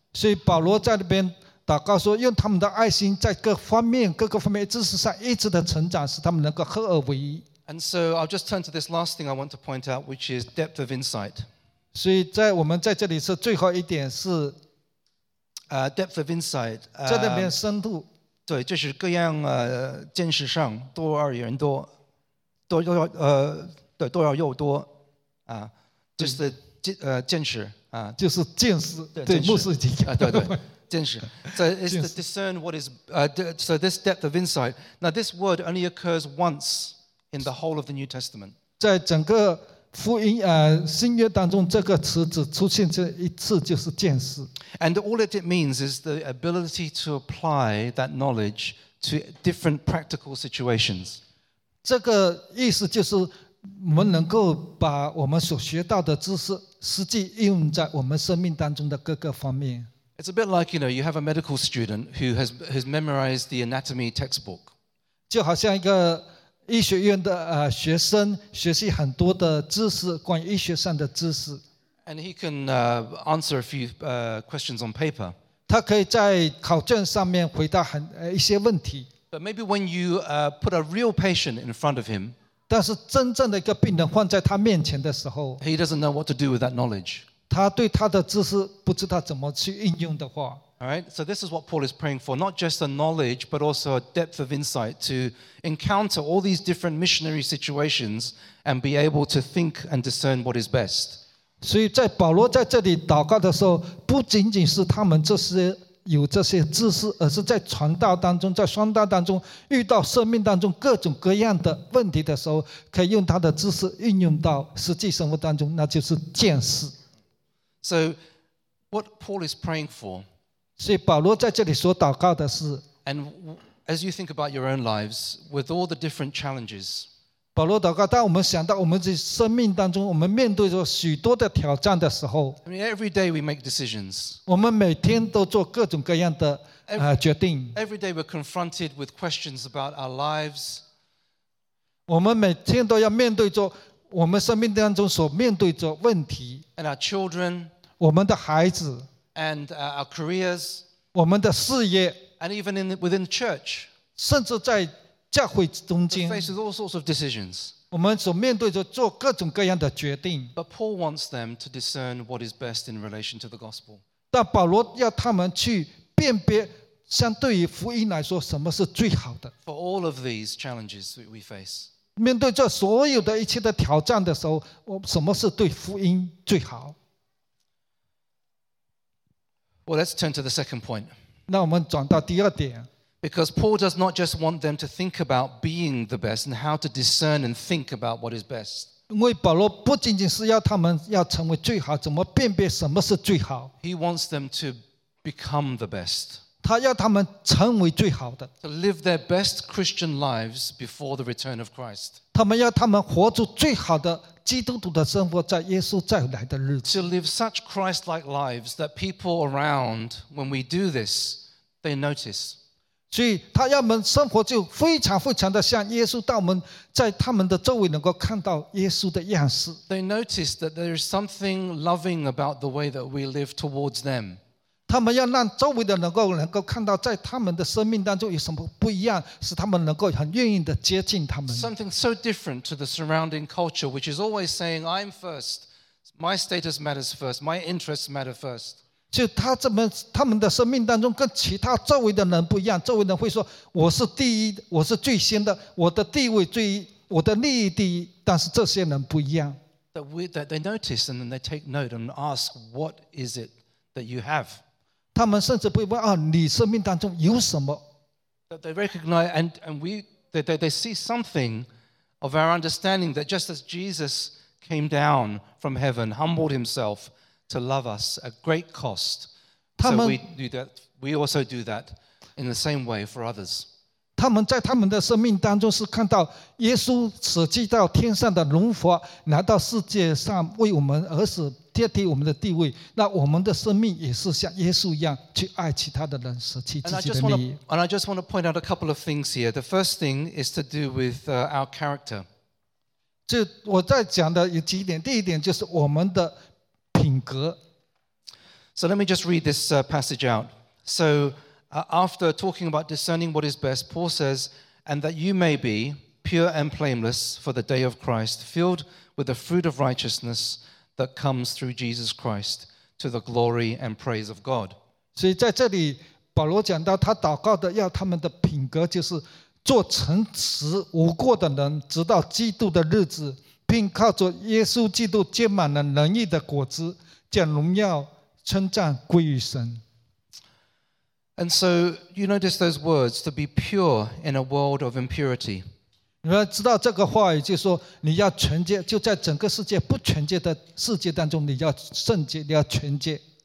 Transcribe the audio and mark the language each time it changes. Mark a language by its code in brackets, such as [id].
[zh] 所以保罗在那边祷告说，用他们的爱心在各方面、各个方面知识上一直的成长，使他们能够合而为一。 [en] And so I'll just turn to this last thing I want to point out, which is depth of insight. [zh] 所以在我们在这里是最后一点是 [en] depth of insight， [zh] 在那边深度。对，就是各样见识上多而言多，对，多而又多啊，就是见识啊，就是见识，对，牧师已经讲对，见识。 [en] So it's to discern what is so this depth of insight. Now this word only occurs once in the whole of the New Testament. [zh] 在整个福音新约当中，这个词只出现这一次，就是见识。 [en] And all it means is the ability to apply that knowledge to different practical situations. [zh] 这个意思就是我们能够把我们所学到的知识实际应用在我们生命当中的各个方面。 [en] It's a bit like, you know, you have a medical student who has memorized the anatomy textbook. [zh] 就好像一个医学院的学生学习很多的知识，关于医学上的知识。 [en] And he can answer a few questions on paper. [zh] 他可以在考卷上面回答一些问题。 [en] But maybe when you put a real patient in front of him, [zh] 但是真正的一个病人放在他面前的时候， [en] he doesn't know what to do with that knowledge. [zh] 他对他的知识不知道怎么去应用的话。 [en] All right, so this is what Paul is praying for, not just a knowledge, but also a depth of insight to encounter all these different missionary situations and be able to think and discern what is best. [zh] 所以在保罗在这里祷告的时候，不仅仅是他们这些有这些知识，而是在传道当中，在宣道当中遇到生命当中各种各样的问题的时候，可以用他的知识运用到实际生活当中，那就是见识。 [en] So what Paul is praying for, [zh] 所以保罗在这里所祷告的是 [en] And as you think about your own lives, with all the different challenges, [zh] 保罗祷告，当我们想到我们的生命当中，我们面对着许多的挑战的时候 [en] I mean, every day we make decisions. [zh] 我们每天都做各种各样的决定 [en] Every day we're confronted with questions about our lives. [zh] 我们每天都要面对着我们生命当中所面对着问题 [en] And our children. [zh] 我们的孩子 [en] And our careers, [zh] 我们的事业 [en] and even in the, within the church, [zh] 甚至在教会中间 [en] we face all sorts of decisions. [zh] 我们所面对着做各种各样的决定 [en] But Paul wants them to discern what is best in relation to the gospel. [zh] 但保罗要他们去辨别，相对于福音来说，什么是最好的 [en] For all of these challenges we face, [zh] 面对着所有的一切的挑战的时候，我什么是对福音最好？ [en] Well, let's turn to the second point. [zh] 那我们转到第二点。 [en] Because Paul does not just want them to think about being the best and how to discern and think about what is best. [zh] 因为保罗不仅仅是要他们要成为最好，怎么辨别什么是最好。 [en] He wants them to become the best. [zh] 他要他们成为最好的。 [en] To live their best Christian lives before the return of Christ. [zh] 他们要他们活出最好的基督徒的生活，在耶稣再来的日子。 [en] To live such Christ-like lives that people around, when we do this, they notice. [zh] 所以他要我们生活就非常非常的像耶稣，到我们在他们的周围能够看到耶稣的样式。 [en] They notice that there is something loving about the way that we live towards them. [zh] 他们要让周围的能够看到，在他们的生命当中有什么不一样，使他们能够很愿意的接近他们。 [en] Something so different to the surrounding culture, which is always saying, "I'm first, my status matters first, my interests matter first." [zh] 就他们的生命当中跟其他周围的人不一样，周围人会说我是第一，我是最先的，我的地位最，我的利益第一。但是这些人不一样。 [en] That they notice and then they take note and ask, "What is it that you have?" [zh] 他们甚至不会问啊，你生命当中有什么 [en] ？They recognize and we they see something of our understanding that just as Jesus came down from heaven, humbled himself to love us at great cost, so we do that. We also do that in the same way for others. [zh] 他们在他们的生命当中是看到耶稣舍弃到天上的荣华，来到世界上为我们而死。接替我们的地位，那我们的生命也是像耶稣一样去爱其他的人，舍弃自己的利益。 [en] And I just want to point out a couple of things here. The first thing is to do with our character. [zh] 就我在讲的有几点，第一点就是我们的品格。 [en] So let me just read this passage out. So after talking about discerning what is best, Paul says, "And that you may be pure and blameless for the day of Christ, filled with the fruit of righteousness." That comes through Jesus Christ to the glory and praise of God. [zh] 所以在这里，保罗讲到他祷告的要他们的品格就是做诚实无过的人，直到基督的日子，并靠着耶稣基督结满了仁义的果子，将荣耀称赞归于神。 [en] And so you notice those words to be pure in a world of impurity. [zh] 你要知道这个话语，就是说你要纯洁，就在整个世界不纯洁的世界当中，你要圣洁，你要纯洁。